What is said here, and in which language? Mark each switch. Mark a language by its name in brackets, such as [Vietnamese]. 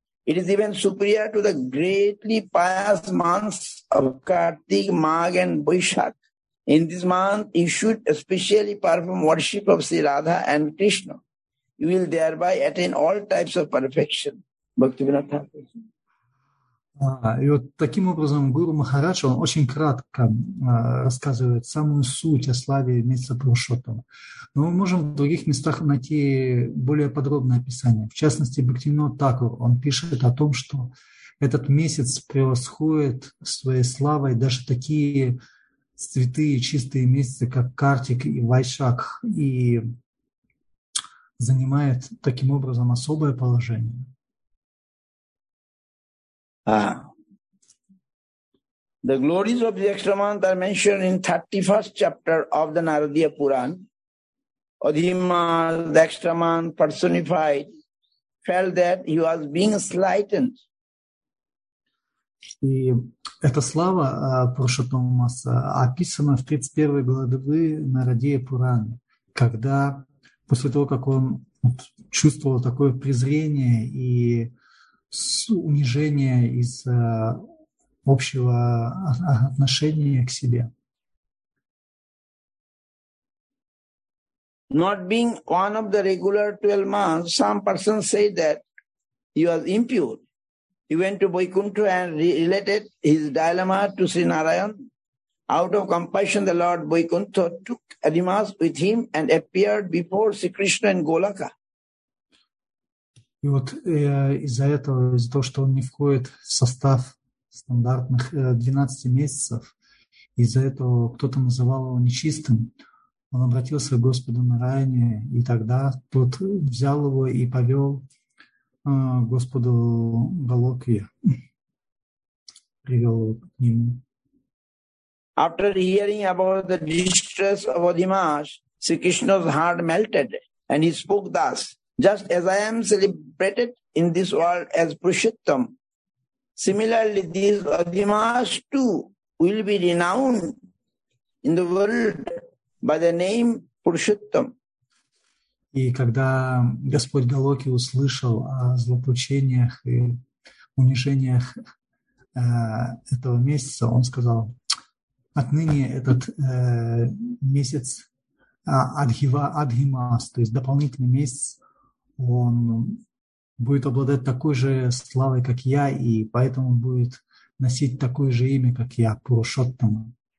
[English] It is even superior to the greatly pious months of Kartik, Magh and Vaishakh. In this month, you should especially perform worship of Sri Radha and Krishna. You will thereby attain all types of perfection. Bhaktivinoda Thakur. [Russian] И вот таким образом Гуру Махарадж, он очень кратко рассказывает самую суть о славе месяца Пурушоттама. Но мы можем в других местах найти более подробное описание. В частности, Бхактивинода Такур, он пишет о том, что этот месяц превосходит своей славой даже такие святые чистые месяцы, как Картик и Вайшакх, и занимает таким образом особое положение. [English] The glories of the extra month are mentioned in 31st chapter of the Naradiya Puran. Adhima, the extra month personified, felt that he was being slighted. [Russian] И эта слава Пурушоттама Маса описана в 31 главе Нарадия Пуран, когда после того, как он чувствовал такое презрение и с унижения из общего отношения к себе. [English] Not being one of the regular 12 months, some persons say that he was impure. He went to Vaikuntha and related his dilemma to Sri Narayan. Out of compassion, the Lord Vaikuntha took Arimas with him and appeared before Sri Krishna and Golaka. [Russian] И вот из-за этого, из-за того, что он не входит в состав стандартных 12 месяцев, из-за этого кто-то называл его нечистым, он обратился к Господу Нараяне, и тогда тот взял его и повел Господу Голоке, привел его к нему. [English] After hearing about the distress of Adhimas, Sri Krishna's heart melted, and he spoke thus. Just as I am celebrated in this world as Purushottam, similarly these Adhimas too will be renowned in the world by the name Purushottam. [Russian] И когда Господь Галоки услышал о злоключениях и унижениях этого месяца, он сказал, отныне этот месяц Адхимас, то есть дополнительный месяц, он будет обладать такой же славой, как я, и поэтому будет носить такое же имя, как я, Пурушоттама.